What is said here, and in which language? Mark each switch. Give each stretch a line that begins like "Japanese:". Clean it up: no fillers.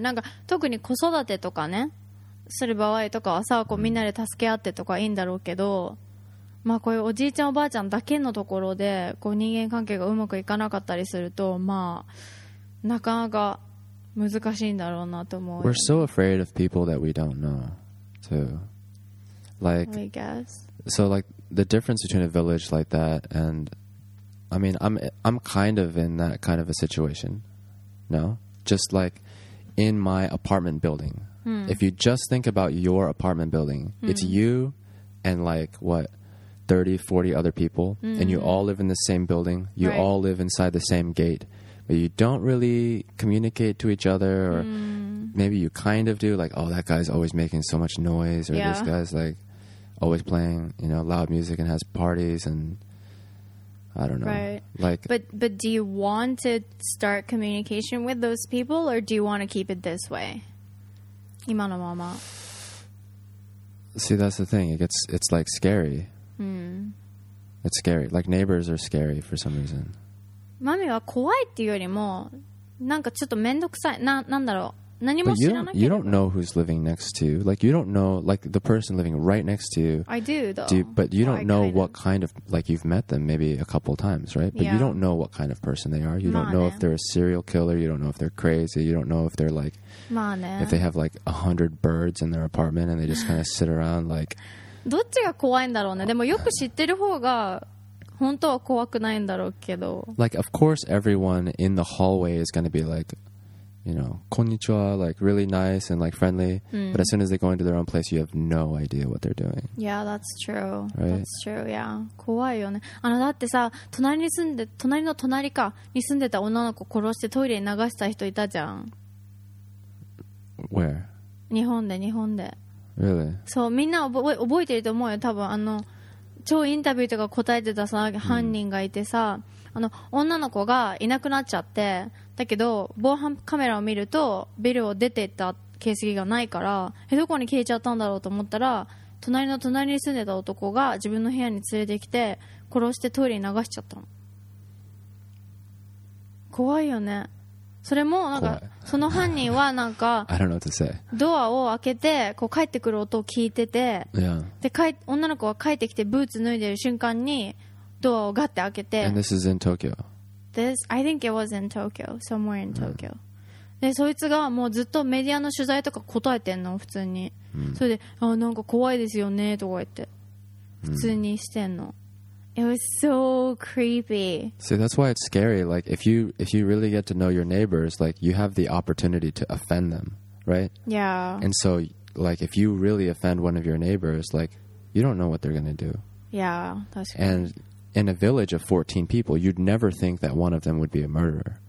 Japanese: なんか、特に子育てとかね、する場合とかはさ、こうみんなで助け合ってとかいいんだろうけど、まあこういうおじいちゃんおばあちゃんだけのところで、こう人間関係がうまくいかなかったりすると、まあ、なかなか難しいんだろうなと思う。
English: We're so afraid of people that we don't know, too. Like, I guess. So, like, the difference between a village like that and, I mean, I'm kind of in that kind of a situation, no? Just, like, in my apartment building. If you just think about your apartment building, it's you and, like, what, 30, 40 other people, and you all live in the same building, you right. all live inside the same gate, but you don't really communicate to each other or... Maybe you kind of do, like, oh, that guy's always making so much noise, or yeah. this guy's, like, always playing, you know, loud music and has parties, and I don't know. Right. Like, but do you want to start communication with those people, or do you want to keep it this way?
Japanese: 今のまま。
English: See, that's the thing. It's like, scary. It's scary. Like, neighbors are scary for some reason.
Japanese: マミは怖いっていうよりも、なんかちょっとめんどくさい。なんだろう。何も知らなければ。
English: You don't know who's living next to you. Like, you don't know, like, the person living right next to you. I do, though. Do, but you don't know what kind of, like, you've met them maybe a couple times, right? But you don't know what kind of person they are. You don't know if they're a serial killer. You don't know if they're crazy. You don't know if they're, like, if they have, like, 100 birds in their apartment and they just kind of sit around, like...
Japanese: どっちが怖いんだろうね。でもよく知ってる方が本当は怖くないんだろうけど。
English: Like, of course, everyone in the hallway is going to be, like... You know, konnichiwa, like really nice and like friendly. But as soon as they go into their own place, you have no idea what they're doing. Yeah, that's true. Right? That's true, yeah.
Japanese: 怖いよね。あのだってさ、隣に住んで、隣の隣かに住んでた女の子殺してトイレに流した人いたじゃん。
English: Where?
Japanese: 日本で、日本で。
English: Really?
Japanese: そう、みんな覚えてると思うよ。多分あの、超インタビューとか答えてたさ、犯人がいてさ、あの女の子がいなくなっちゃって、だけど防犯カメラを見るとビルを出てった形跡がないから、どこに消えちゃったんだろうと思ったら、隣の隣に住んでた男が自分の部屋に連れてきて殺してトイレに流しちゃったの。怖いよね。それもなんかその犯人はなんかドアを開けてこう帰ってくる音を聞いてて、で女の子が帰ってきてブーツ脱いでる瞬間にドアをガッて開けて、
English: And this is in Tokyo. This, I think it was in Tokyo, somewhere in Tokyo.
Japanese: でそいつがもうずっとメディアの取材とか答えてんの普通に、それであなんか怖いですよねとか言って普通にしてんの。
English: It was so creepy. See, that's why it's scary. Like, if you really get to know your neighbors, like, you have the opportunity to offend them, right? Yeah. And so, like, if you really offend one of your neighbors, like, you don't know what they're going to do. Yeah, that's true. And in a village of 14 people, you'd never think that one of them would be a murderer.